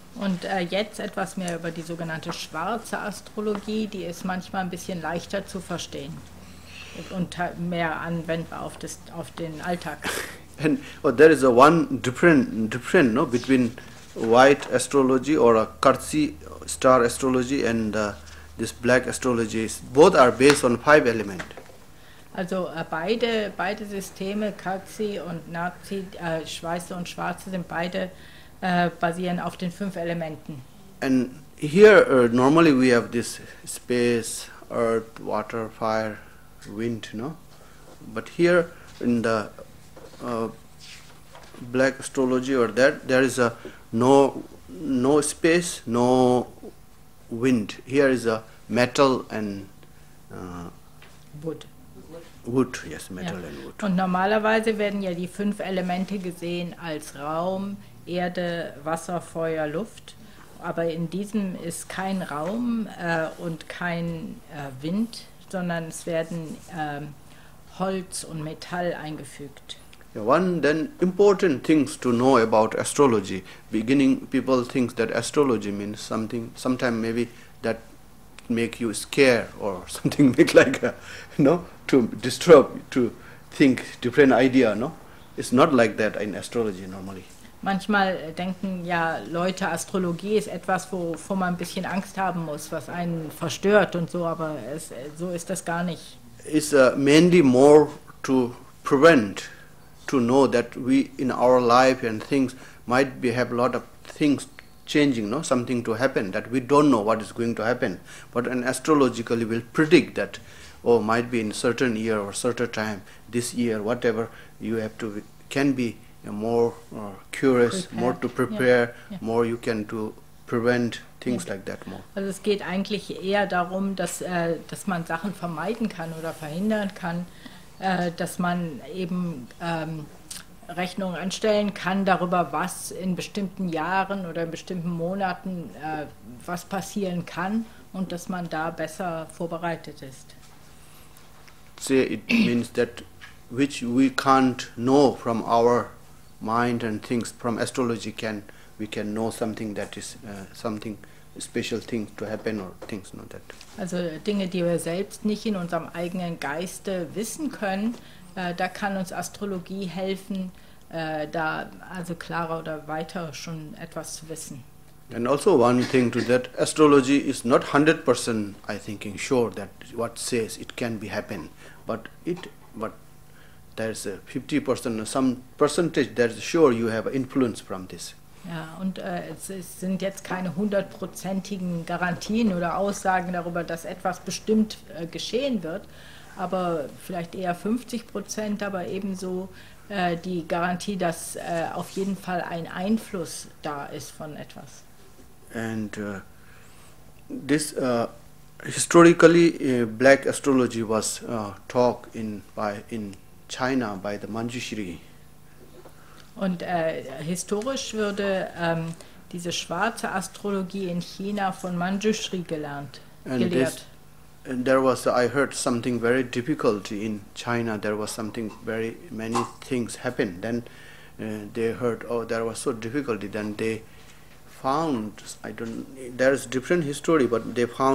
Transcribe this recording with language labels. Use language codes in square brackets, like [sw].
[de] Und jetzt etwas mehr über die sogenannte schwarze Astrologie, die ist manchmal ein bisschen leichter zu verstehen und mehr anwendbar auf den Alltag. [en] And oh, there is a one different no between white astrology or a Kartzi star astrology and this black astrology. Both are based on 5 element. [de] Also beide Systeme Kartzi und Nazi Schweiße und Schwarze sind beide basieren auf den 5 Elementen. [en] And here normally we have this space, earth, water, fire, wind, no? But here in the black astrology or that, there is a no space, no wind. Here is a metal and wood. Wood, yes, metal, yeah. And wood. [de] Und normalerweise werden ja die 5 Elemente gesehen als Raum, Erde, Wasser, Feuer, Luft, aber in diesem ist kein Raum und kein Wind, sondern es werden Holz und Metall eingefügt. [en] Yeah, one then important things to know about astrology. Beginning people think that astrology means something, sometimes maybe that make you scare or something, make like, no, to disturb, to think different idea, no? It's not like that in astrology normally. [de] Manchmal denken ja Leute, Astrologie ist etwas, wovor man ein bisschen Angst haben muss, was einen verstört und so, aber es, so ist das gar nicht. [en] It's mainly more to prevent, to know that we in our life and things might be have a lot of things changing, no? Something to happen that we don't know what is going to happen. But an astrologically will predict that, oh, might be in certain year or certain time, this year, whatever, you have to, can be more curious, prepared. More to prepare, yeah. Yeah. More you can do, prevent things, yeah. Like that more. [de] Also es geht eigentlich eher darum, dass man Sachen vermeiden kann oder verhindern kann, dass man eben Rechnungen anstellen kann darüber, was in bestimmten Jahren oder in bestimmten Monaten was passieren kann und dass man da besser vorbereitet ist. [en] See, it means that which we can't know from our mind and things from astrology, can we can know something that is something special thing to happen or things, not that. [de] Also Dinge, die wir selbst nicht in unserem eigenen Geiste wissen können, da kann uns Astrologie helfen, da also klarer oder weiter schon etwas zu wissen. [en] And also one thing to that, astrology is not 100% I think sure that what says it can be happen, but there's a 50% or some percentage that's sure you have influence from this. [de] Ja, und es sind jetzt keine hundertprozentigen Garantien oder Aussagen darüber, dass etwas bestimmt geschehen wird, aber vielleicht eher 50%, aber ebenso die Garantie, dass auf jeden Fall ein Einfluss da ist von etwas. [en] And this historically black astrology was talked in China by the Manjushri. [de] Und historisch wurde diese schwarze Astrologie in China von Manjushri gelernt, [en] and [de] gelehrt. [en] This, and there was, I heard something very difficult in China. There was something very many things happened. Then they heard, oh, there was so difficulty. Then they found, I don't, there's different history, but they found.